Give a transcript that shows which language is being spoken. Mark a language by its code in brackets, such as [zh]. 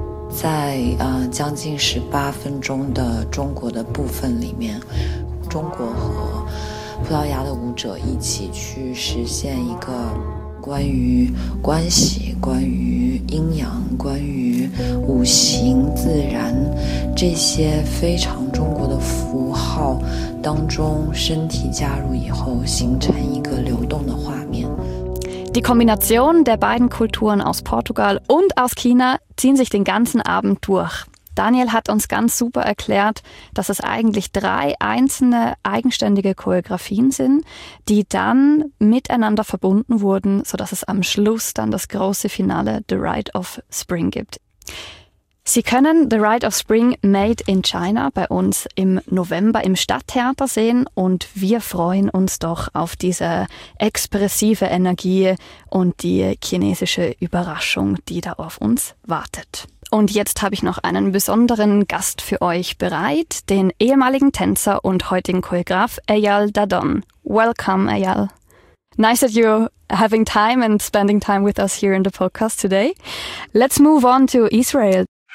[zh] 在将近18分钟的中国的部分里面，中国和葡萄牙的舞者一起去实现一个关于关系、关于阴阳、关于五行、自然这些非常中国的符号当中，身体加入以后形成一个流动的画面。 [de] Die Kombination der beiden Kulturen aus Portugal und aus China ziehen sich den ganzen Abend durch. Daniel hat uns ganz super erklärt, dass es eigentlich drei einzelne eigenständige Choreografien sind, die dann miteinander verbunden wurden, sodass es am Schluss dann das große Finale The Rite of Spring gibt. Sie können The Rite of Spring Made in China bei uns im November im Stadttheater sehen und wir freuen uns doch auf diese expressive Energie und die chinesische Überraschung, die da auf uns wartet. Und jetzt habe ich noch einen besonderen Gast für euch bereit, den ehemaligen Tänzer und heutigen Choreograf Eyal Dadon. [en] Welcome, Eyal. Nice that you're having time and spending time with us here in the podcast today. Let's move on to Israel.